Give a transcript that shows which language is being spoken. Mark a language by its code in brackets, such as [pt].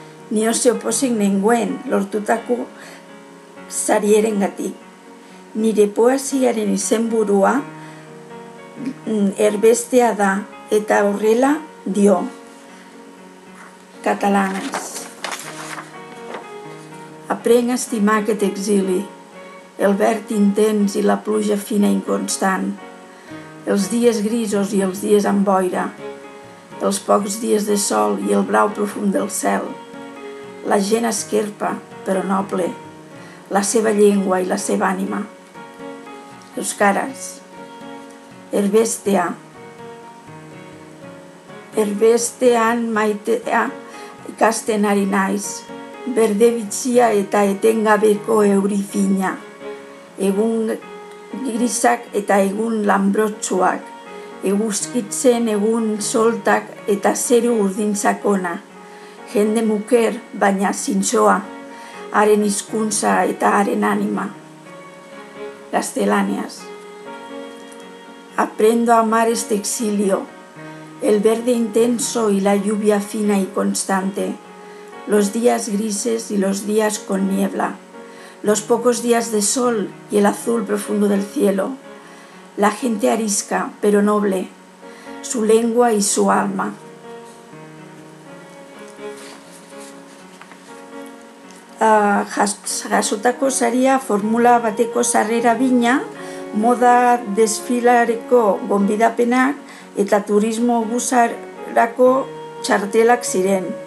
[eu] Ni oso pozik nengoen lortutako sarieren gatik. Nire poesiaren izenburua erbestea da eta horrela dio. Catalans. [ca] Aprenc a estimar aquest exili, el verd intens i la pluja fina inconstant, els dies grisos i els dies amb boira, els pocs dies de sol i el blau profund del cel, la gent esquerpa però noble, la seva llengua i la seva ànima. [eu] Euskaras. Erbestea. Erbestean maitea ikasten ari naiz, berde bitxia eta etengabeko euri fina, egun grisak eta egun lambrotsuak, eguzkitzen egun soltak eta zeru urdin sakona, jende muker baina zintzoa, haren hizkuntza eta haren anima. Gaztelaniaz. [es] Aprendo a amar este exilio, el verde intenso y la lluvia fina y constante, los días grises y los días con niebla, los pocos días de sol y el azul profundo del cielo, la gente arisca pero noble, su lengua y su alma. [eu] Jasotako saria formula bateko sarrera bina, moda desfilareko gonbidapenak eta turismo busarako txartelak ziren.